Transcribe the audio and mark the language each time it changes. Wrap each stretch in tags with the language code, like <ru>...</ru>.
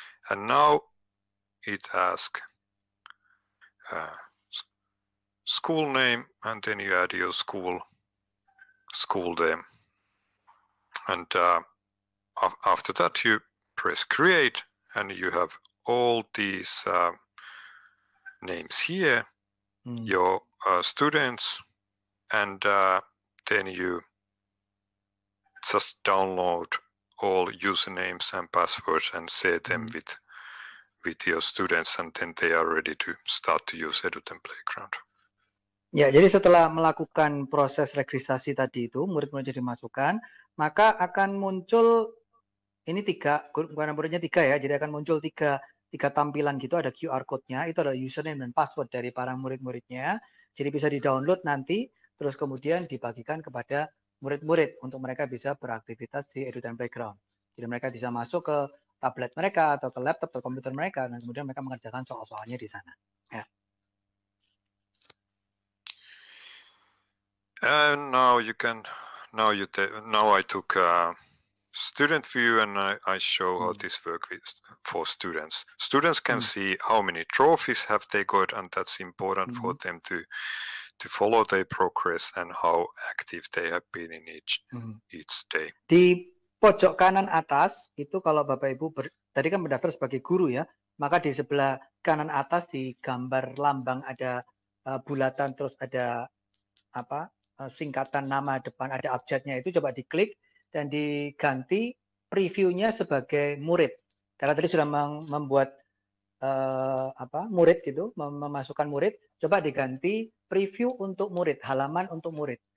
<en>And now it asks school name and then you add your school name and after that you press create and you have all these names here, your students, and then you just download all usernames and passwords and save them with your students and then they are ready to start to use EduTen Playground.</en> <id>Ya, jadi setelah melakukan proses registrasi tadi itu, murid-murid jadi masukkan, maka akan muncul ini tiga, bukan muridnya tiga ya, jadi akan muncul tiga tampilan gitu, ada QR code-nya, itu adalah username dan password dari para murid-muridnya. Jadi bisa di-download nanti, terus kemudian dibagikan kepada murid-murid untuk mereka bisa beraktivitas di EduTen Playground. Jadi mereka bisa masuk ke tablet mereka atau ke laptop atau komputer mereka dan kemudian mereka mengerjakan soal-soalnya di sana. Ya.</id> <en>And now I took a student view and I show how this works for students. Students can see how many trophies have they got and that's important for them to follow their progress and how active they have been in each day.</en> <id>Di pojok kanan atas itu kalau Bapak Ibu tadi kan mendaftar sebagai guru ya, maka di sebelah kanan atas di gambar lambang ada bulatan terus ada apa singkatan nama depan ada abjadnya itu coba diklik dan diganti previewnya sebagai murid karena tadi sudah membuat apa murid gitu memasukkan murid coba diganti preview untuk murid halaman untuk murid.</id>